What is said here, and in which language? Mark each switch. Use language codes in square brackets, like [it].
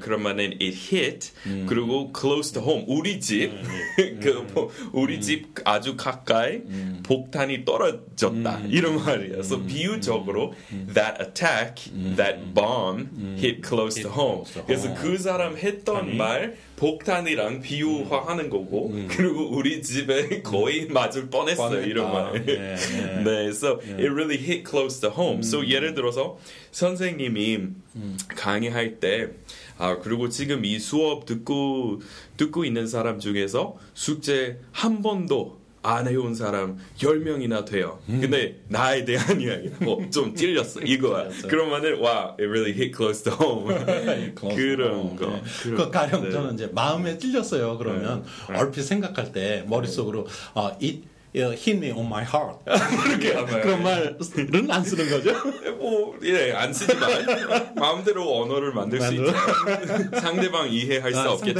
[ko] 그러면은 [en] it hit [ko] 그리고 [en] close to home [ko] 우리 집 그 우리 집 아주 가까이 폭탄이 떨어졌다 이런 말이에요. 그래서 비유적으로 [en] that attack that bomb hit close to home. [ko] 그래서 그 사람 했던 아니? 말 폭탄이랑 비유화하는 거고 그리고 우리 집에 거의 맞을 뻔했어 이런 말. 네, 네. [en] 네, so it really hit close to home. [ko] So 예를 들어서 선생님이 강의할 때 아 그리고 지금 이 수업 듣고 있는 사람 중에서 숙제 한 번도 안 해온 사람 10명이나 돼요. 근데 나에 대한 이야기 뭐 좀 찔렸어 이거야. 그러면은 와 [en] it really hit close to home. [ko] close 그런 거. 네. 그 가령 네. 저는 이제 마음에 찔렸어요. 그러면 네. 얼핏 생각할 때 머릿속으로 네. [en] It hit me on my heart. [ko] 이렇게 그런 말은 안 쓰는 거죠? 뭐 예 안 쓰지 마. 마음대로 언어를 만들 수 있죠. 상대방 이해할 수 없겠죠.